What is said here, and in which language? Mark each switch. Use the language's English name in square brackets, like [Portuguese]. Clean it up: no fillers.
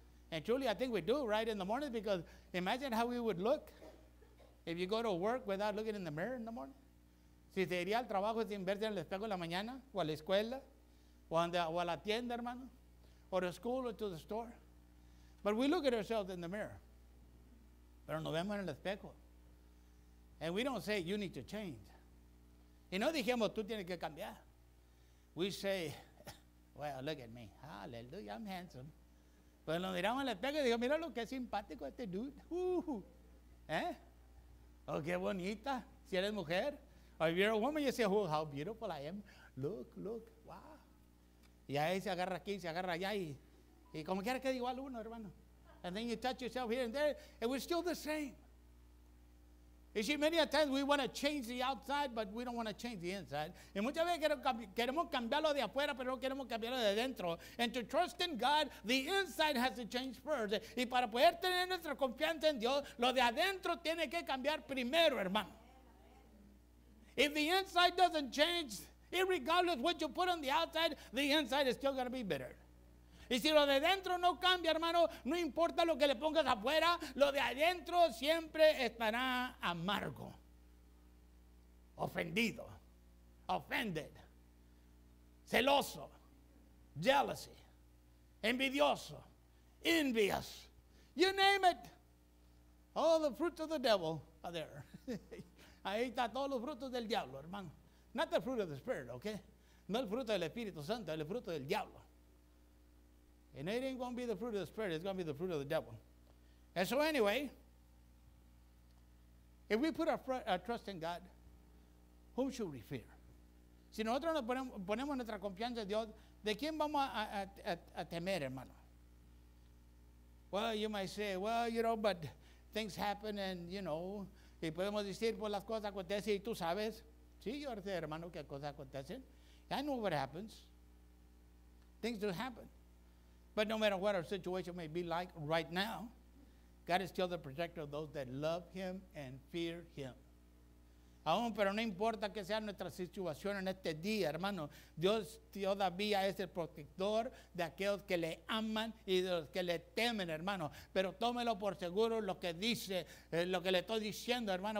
[English] And truly, I think we do, right, in the morning, because imagine how we would look if you go to work without looking in the mirror in the morning. [Spanish] Si se iría al trabajo sin verse en el espejo en la mañana, o a la escuela, o a la tienda, hermano, [English] or to school, or to the store. But we look at ourselves in the mirror. [Spanish] Pero nos vemos en el espejo. [English] And we don't say, you need to change. [Spanish] Y no dijimos, tú tienes que cambiar. [English] We say, well, look at me. Hallelujah, I'm handsome. [Spanish] Pues nos miramos en el espejo y digo, mira lo que simpático este dude. ¿Eh? Oh, qué bonita. Si eres mujer. [English] Or if you're a woman, you say, oh, how beautiful I am. Look, wow. [Spanish] Y ahí se agarra aquí, se agarra allá y como quiera queda igual uno, hermano. [English] And then you touch yourself here and there, and we're still the same. You see, many a times we want to change the outside, but we don't want to change the inside. [Spanish] Y muchas veces queremos cambiarlo de afuera, pero no queremos cambiarlo de dentro. [English] And to trust in God, the inside has to change first. [Spanish] Y para poder tener nuestra confianza en Dios, lo de adentro tiene que cambiar primero, hermano. [English] If the inside doesn't change, irregardless what you put on the inside is still going to be bitter. [Spanish] Y si lo de dentro no cambia, hermano, no importa lo que le pongas afuera, lo de adentro siempre estará amargo. Ofendido. [English] Offended. [Spanish] Celoso. [English] Jealousy. [Spanish] Envidioso. [English] Envious. You name it. All the fruits of the devil are there. [Spanish] Ahí está todos los frutos del diablo, hermano. [English] Not the fruit of the Spirit, okay? [Spanish] No el fruto del Espíritu Santo, el fruto del diablo. [English] And it ain't going to be the fruit of the Spirit, it's going to be the fruit of the devil. And so anyway, if we put our trust in God, whom should we fear? [Spanish] Si nosotros nos ponemos nuestra confianza en Dios, ¿de quién vamos a temer, hermano? [English] Well, you might say, well, you know, but things happen and, you know, [Spanish] y podemos decir, pues las cosas acontecen y tú sabes. Sí, yo sé, hermano, que cosas acontecen. [English] I know what happens. Things do happen. But no matter what our situation may be like right now, God is still the protector of those that love him and fear him. [Spanish] Aún, pero no importa que sea nuestra situación en este día, hermano. Dios todavía es el protector de aquellos que le aman y de los que le temen, hermano. Pero tómelo por seguro lo que dice, lo que le estoy diciendo, hermano.